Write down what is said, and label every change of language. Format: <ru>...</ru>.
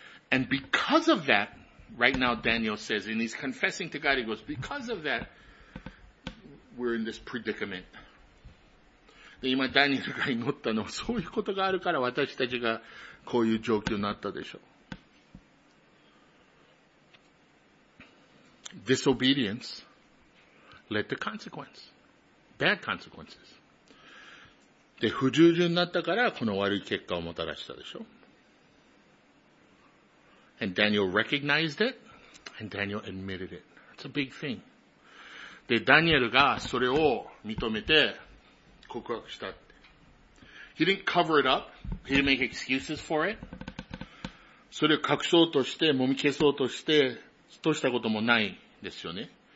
<en>And because of that, right now Daniel says, and he's confessing to God, he goes, because of that, we're in this predicament.</en> <ja>で、今ダニエルが祈ったのは、そういうことがあるから私たちがこういう状況になったでしょう。</ja> <en>Disobedience led to consequence. Bad consequences.</en> <ja>で、不従順になったからこの悪い結果をもたらしたでしょう。</ja> <en>And Daniel recognized it, and Daniel admitted it. It's a big thing.</en> <ja>で、ダニエルがそれを認めて告白したって。</ja> <en>He didn't cover it up. He didn't make excuses for it.</en> <ja>それを隠そうとして、揉み消そうとして、としたこともないですよね。</ja>